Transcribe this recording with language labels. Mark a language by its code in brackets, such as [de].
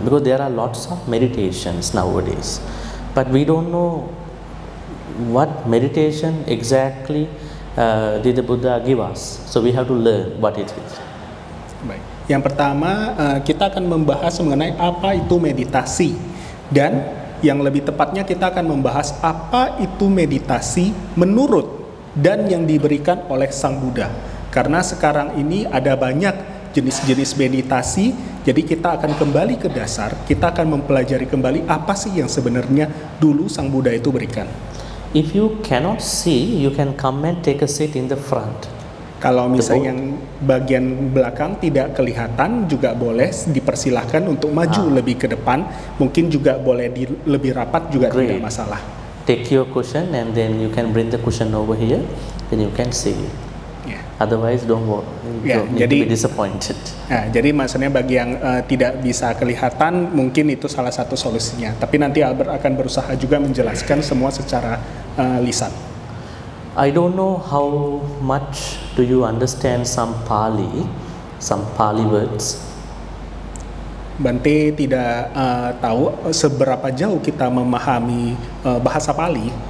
[en] Because there are lots of meditations nowadays, but we don't know what meditation exactly did the Buddha give us. So we have to learn what it is. [id] Baik. Yang pertama, kita akan membahas mengenai apa itu meditasi, dan yang lebih tepatnya kita akan membahas apa itu meditasi menurut dan yang diberikan oleh Sang Buddha. Karena sekarang ini ada banyak jenis-jenis meditasi, jadi kita akan kembali ke dasar, kita akan mempelajari kembali apa sih yang sebenarnya dulu Sang Buddha itu berikan. [en] If you cannot see, you can come and take a seat in the front. [id] Kalau misalnya yang bagian belakang tidak kelihatan, juga boleh dipersilahkan untuk maju lebih ke depan, mungkin juga boleh di lebih rapat juga. [en] Great. [id] Tidak masalah. [en] Take your cushion and then you can bring the cushion over here, then you can see. Otherwise don't worry, [id] jadi, [en] to be disappointed. [id] Nah, jadi maksudnya bagi yang tidak bisa kelihatan, mungkin itu salah satu solusinya. Tapi nanti Albert akan berusaha juga menjelaskan semua secara lisan. [en] I don't know how much do you understand some Pali words. [id] Bante tidak tahu seberapa jauh kita memahami bahasa Pali.